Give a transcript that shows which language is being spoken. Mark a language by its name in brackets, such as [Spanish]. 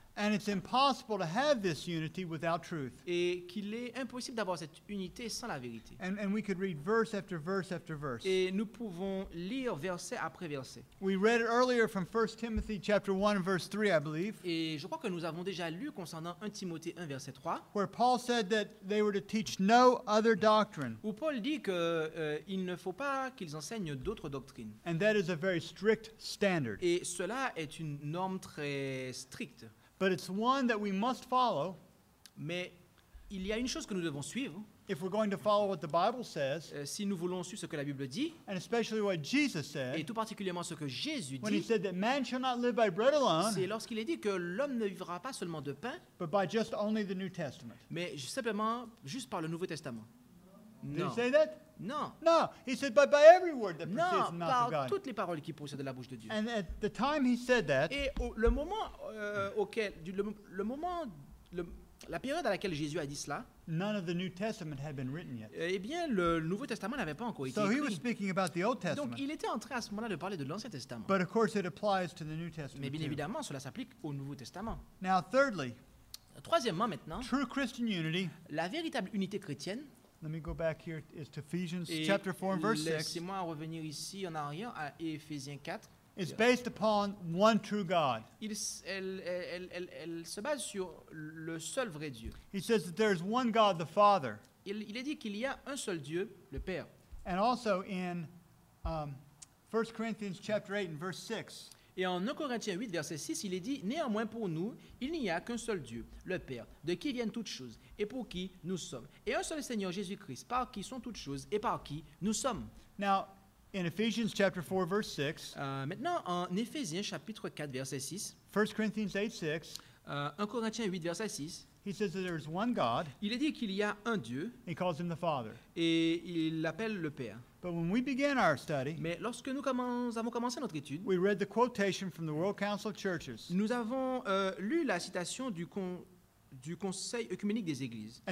[English] And it's impossible to have this unity without truth. [French] Et qu'il est impossible d'avoir cette unité sans la vérité. [English] And we could read verse after verse after verse. [French] Et nous pouvons lire verset après verset. [English] We read it earlier from 1 Timothy chapter 1 verse 3, I believe. [French] Et je crois que nous avons déjà lu concernant 1 Timothée 1 verset 3. [English] Where Paul said that they were to teach no other doctrine. [French] Où Paul dit que il ne faut pas qu'ils enseignent d'autres doctrines. [English] And that is a very strict standard. [French] Et cela est une norme très stricte. [English] But it's one that we must follow. [French] Mais il y a une chose que nous devons suivre. [English] If we're going to follow what the Bible says, [French] si nous voulons suivre ce que la Bible dit, [English] and especially what Jesus said, [French] et tout particulièrement ce que Jésus dit, [English] when he said that man shall not live by bread alone, [French] c'est lorsqu'il a dit que l'homme ne vivra pas seulement de pain, [English] but by just only the New Testament. [French] Mais simplement juste par le Nouveau Testament. [English] Did he say that? [French] Non. [English] No, he said, but by every word that proceeds from the mouth of God. [French] Non, par toutes les paroles qui proviennent de la bouche de Dieu. [English] And at the time he said that. [French] Et le moment auquel, le moment, la période à laquelle Jésus a dit cela. [English] None of the New Testament had been written yet. [French] Eh bien, le Nouveau Testament n'avait pas encore été écrit. [English] he was speaking about the Old Testament. [French] Donc, il était en train à ce moment-là de parler de l'Ancien Testament. [English] But of course, it applies to the New Testament. [French] Mais bien [English] too. [French] Évidemment, cela s'applique au Nouveau Testament. [English] Now, thirdly. [French] Troisièmement, maintenant. [English] True Christian unity. [French] La véritable unité chrétienne. [English] Let me go back here. It's to Ephesians et chapter 4 and verse 6. [French] Laissez-moi revenir ici en arrière à Éphésiens 4. [English] It's based upon one true God. [French] Elle se base sur le seul vrai Dieu. [English] He says that there is one God, the Father. [French] Il est dit qu'il y a un seul Dieu, le Père. [English] And also in 1 Corinthians chapter 8 and verse 6. [French] Et en 1 Corinthiens 8, verset 6, il est dit, « Néanmoins pour nous, il n'y a qu'un seul Dieu, le Père, de qui viennent toutes choses, et pour qui nous sommes. Et un seul Seigneur Jésus-Christ, par qui sont toutes choses, et par qui nous sommes. » [English] Now, in Ephesians chapter 4, verse 6, [French] maintenant, en Éphésiens, chapitre 4, verset 6, [English] 1 Corinthians 8, 6, [French] 1 Corinthiens 8, verset 6, [English] he says that there is one God, [French] il est dit qu'il y a un Dieu, [English] he calls him the Father. [French] Et il l'appelle le Père. [English] But when we began our study, [French] mais lorsque nous avons commencé notre étude, [English] we read the quotation from the World Council of Churches. [French] Nous avons lu la citation du Conseil œcuménique des Églises.